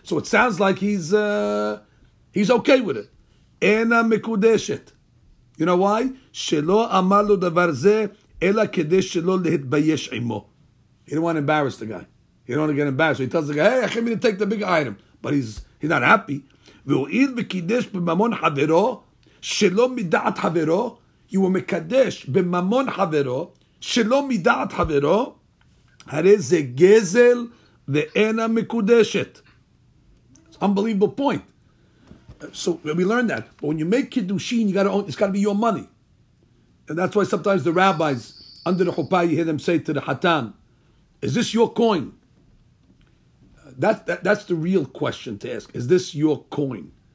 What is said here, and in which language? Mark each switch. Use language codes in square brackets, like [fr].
[en] So it sounds like he's okay with it. [he] Ena mekudeshet. [en] You know why? [he] Shelo amar lo davar ze, ela kedesh shelo lehitbayesh imo. [en] He don't want to embarrass the guy. He don't want to get embarrassed. So he tells the guy, hey, I came here to take the big item. But he's not happy. [he] ואויל וקידש בממון חברו, שלא מדעת חברו, יהוא מקדש בממון חברו, שלא מדעת חברו, הרי זה גזל ואינה מקודשת. [en] It's an unbelievable point. So we learned that. But when you make kiddushin, you gotta own, it's got to be your money. And that's why sometimes the rabbis, under the chuppah, you hear them say to the hatan, is this your coin? That's the real question to ask. Is this your coin?